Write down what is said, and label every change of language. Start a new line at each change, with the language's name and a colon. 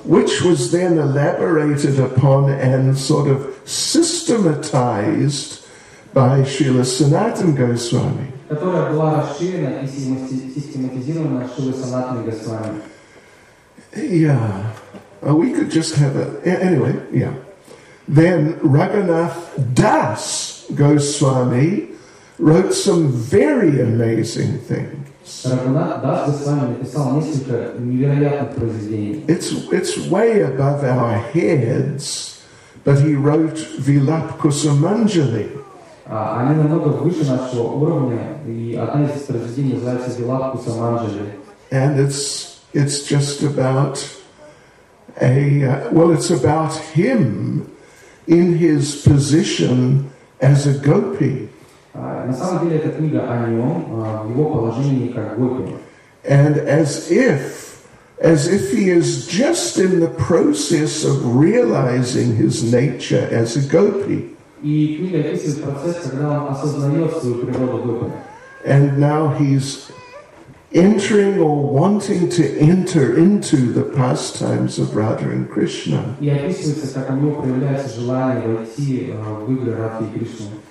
English: Which was then elaborated upon and sort of systematized by Srila Sanatana Goswami.
Russian: Которая была расширена и систематизирована Шрила Санатана Госвами.
English: Yeah. We could just have a... Anyway, yeah. Then Raghunath Das Goswami wrote some very amazing things.
Russian: Raghunath Das Goswami написал несколько невероятных произведений.
English: It's way above our heads, but he wrote Vilap Kusumanjali.
Russian: Они намного выше нашего уровня, и одна из произведений называется «Вилап Кусаманджали».
English: And it's just about it's about him in his position as a gopi.
Russian: На самом деле эта книга о нем, его положении как гопи.
English: And as if he is just in the process of realizing his nature as a gopi.
Russian: И книга описывает процесс, когда он осознает свою природу гопи.
English: And now he's entering or wanting to enter into the pastimes of Radha and Krishna.
Russian: И описывается, как у него проявляется желание войти в игры Радхи и Кришны.